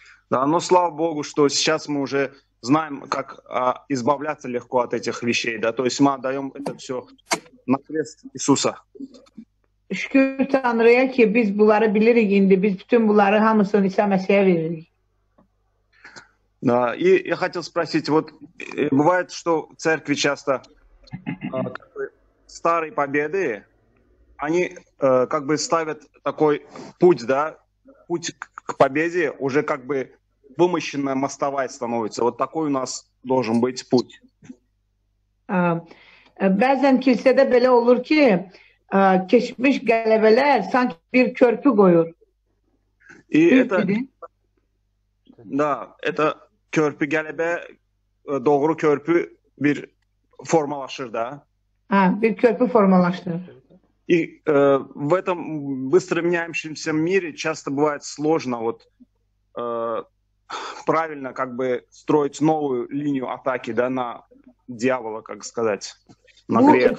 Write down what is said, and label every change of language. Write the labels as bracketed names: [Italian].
[Russian] Да, но слава богу, что сейчас мы уже знаем, как избавляться легко от этих вещей, да, то есть мы отдаём это всё на крест Иисуса. [Azerbaijani] Şükür Tanrı'ya ki biz bunları bilirik indi, biz bütün bunları hamısını İsa Məsihə veririk. [Russian] Да, и я хотел спросить, вот бывает, что в церкви часто старые победы, они как бы ставят такой путь, да, путь к победе уже как бы вымощенная мостовая становится. Вот такой у нас должен быть путь. [Azerbaijani] Bəzən kilisədə belə olur ki, keçmiş qələbələr sanki bir körpü qoyur. [Russian] И Büyük это... Dedi. Да, это... [Azerbaijani] Körpü, gələbə, doğru körpü bir formalaşır da. Ha, bir körpü formalaşır. [Russian] И в этом быстро меняющемся мире часто бывает сложно вот правильно как бы строить новую линию атаки, да, на дьявола, как сказать, на грех.